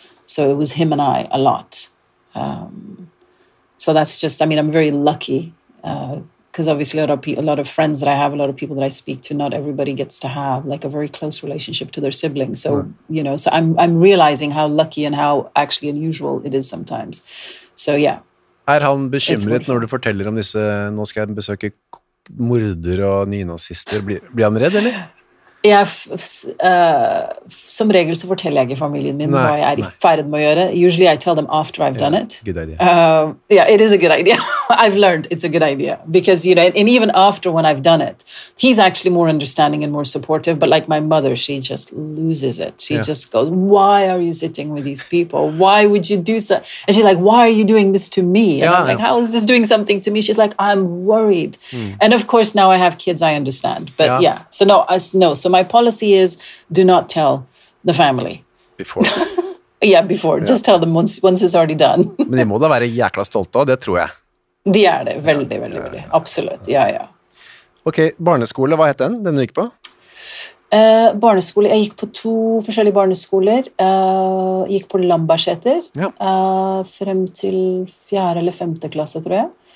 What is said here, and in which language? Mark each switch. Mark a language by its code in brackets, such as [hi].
[en] So it was him and I a lot. So that's just, I mean, I'm very lucky because obviously a lot of friends that I have, a lot of people that I speak to, not everybody gets to have like a very close relationship to their siblings. So, you know, so I'm realizing how lucky and how actually unusual it is sometimes. So, yeah. [no] Han bekymret når du forteller om disse, nå skal jeg besøke morder og nynazister. Blir han redd, eller? Ja, som regel så forteller jeg ikke familien min hva jeg I ferd med å gjøre. [en] Usually I tell them after I've done it. Good idea. Yeah, it is a good idea. I've learned it's a good idea. Because, you know, and even after when I've done it, he's actually more understanding and more supportive. But like my mother, she just loses it. She just goes, why are you sitting with these people? Why would you do so? And she's like, why are you doing this to me? And I'm like, how is this doing something to me? She's like, I'm worried. Mm. And of course, now I have kids, I understand. But yeah. So my policy is do not tell the family. Before. yeah, before. Yeah. Just tell them once it's already done. [no] Men de må da være jækla stolte av, det tror jeg. De det, veldig, veldig, veldig. Absolutt, ja, ja. Ok, barneskole, hva heter den, den du gikk på? Barneskole, jeg gikk på to forskjellige barneskoler. Gikk på Lambertseter frem til 4. eller 5. klasse, tror jeg.